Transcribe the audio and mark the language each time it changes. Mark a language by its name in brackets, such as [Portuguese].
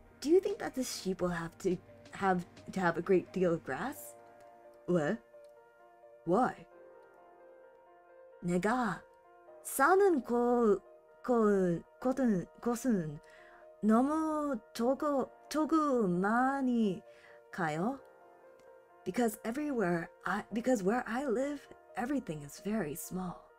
[English] Do you think that the sheep will have to have a great deal of grass? [Korean] 왜? [English] Why? [Korean] 내가 사는 곳은 너무 조그마니 가요? [English] Because where I live, everything is very small.